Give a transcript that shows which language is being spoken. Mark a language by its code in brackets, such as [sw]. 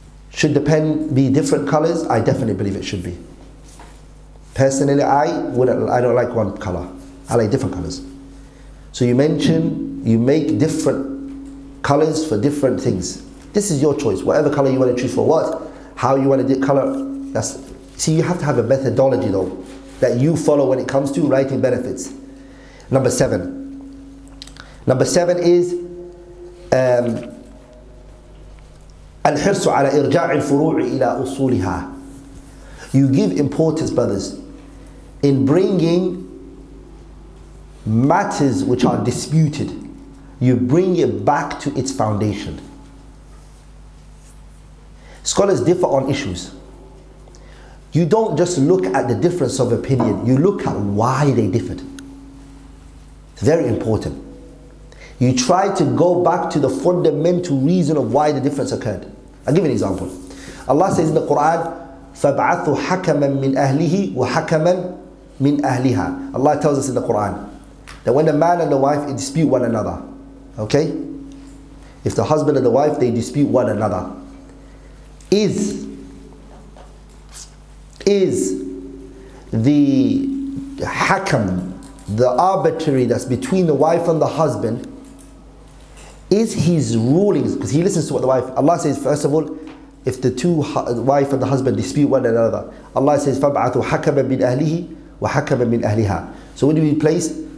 [en] Should the pen be different colors? I definitely believe it should be. Personally, I don't like one color. I like different colors. So you mention, you make different colors for different things. This is your choice. Whatever color you want to choose for what, how you want to color. That's, see, you have to have a methodology though that you follow when it comes to writing benefits. Number seven is [ar] الحرص على إرجاع الفروع إلى أصولها. [en] You give importance, brothers, in bringing matters which are disputed. You bring it back to its foundation. Scholars differ on issues. You don't just look at the difference of opinion. You look at why they differed. It's very important. You try to go back to the fundamental reason of why the difference occurred. I'll give you an example. Allah says in the Quran, [ar] فَبْعَثُ حَكَمًا مِنْ أَهْلِهِ وَحَكَمًا مِنْ أَهْلِهَا. [en] Allah tells us in the Quran that when a man and a wife dispute one another, okay? If the husband and the wife, they dispute one another, is the hakam, the arbitrary that's between the wife and the husband, is his rulings, because he listens to what the wife, Allah says, first of all, if the two wife and the husband dispute one another, Allah says, [ar] فَبْعَثُ حَكَمًا مِنْ أَهْلِهِ وَحَكَمًا مِنْ أَهْلِهَا. [en] So what do we place?